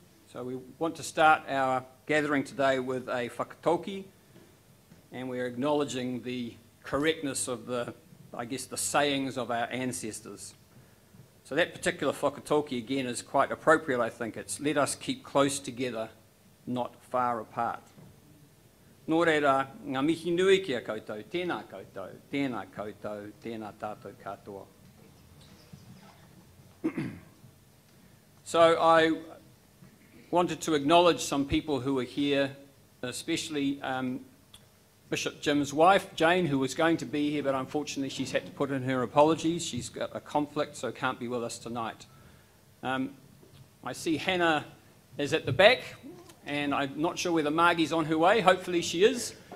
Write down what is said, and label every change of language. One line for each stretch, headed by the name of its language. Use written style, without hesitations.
English: So we want to start our gathering today with a whakatauki, and we're acknowledging the correctness of the, I guess, the sayings of our ancestors. So that particular whakatauki again is quite appropriate, I think. It's let us keep close together, not far apart.
Māori: Nō reira, ngā mihi nui ki a koutou, tēnā koutou, tēnā koutou, tēnā tātou katoa.
English: So I wanted to acknowledge some people who are here, especially Bishop Jim's wife, Jane, who was going to be here, but unfortunately she's had to put in her apologies. She's got a conflict, so can't be with us tonight. I see Hannah is at the back, and I'm not sure whether Margie's on her way. Hopefully she is.